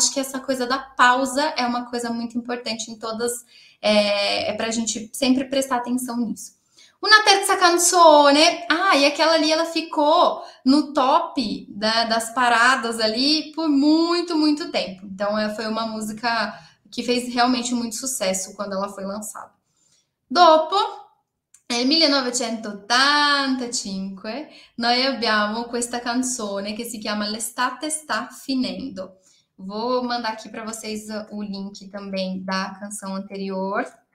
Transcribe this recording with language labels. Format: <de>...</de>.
<pt>Acho que essa coisa da pausa é uma coisa muito importante em todas, é para a gente sempre prestar atenção nisso.</pt> <it>Una terza canzone,</it> <pt>e aquela ali ela ficou no top das paradas ali por muito, muito tempo. Então, foi uma música que fez realmente muito sucesso quando ela foi lançada.</pt> <it>Dopo, nel 1985, noi abbiamo questa canzone che si chiama L'estate sta finendo.</it> <pt>Vou mandar aqui para vocês o link também da canção anterior.</pt>